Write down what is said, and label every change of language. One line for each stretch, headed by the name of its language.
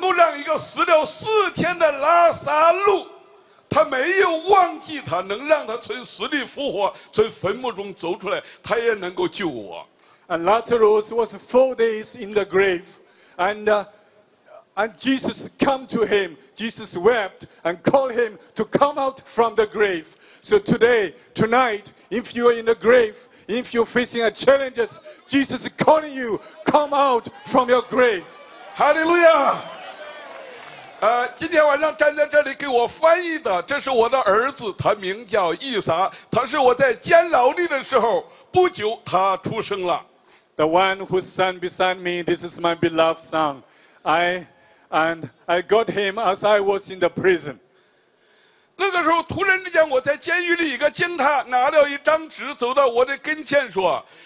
Chinese: 我一直在监牢里面在思想，耶稣能够让一个死了四天的拉撒路。他没有忘记他能让他从死里复活，从坟墓中走出来，他也能够救我。
English: And Lazarus was 4 days in the grave, and Jesus came to him. Jesus wept and called him to come out from the grave. So today, tonight, if you are in the grave, if you're facing a challenges, Jesus is calling you, come out from your grave. Hallelujah.
Chinese: 今天晚上站在这里给我翻译的，这是我的儿子，他名叫伊莎，他是我在监牢里的时候不久他出生了。
English: The one who sat beside me, this is my beloved son. I got him as I was in the prison.
Chinese: 那个时候突然之间我在监狱里，一个警察拿了一张纸走到我的跟前说。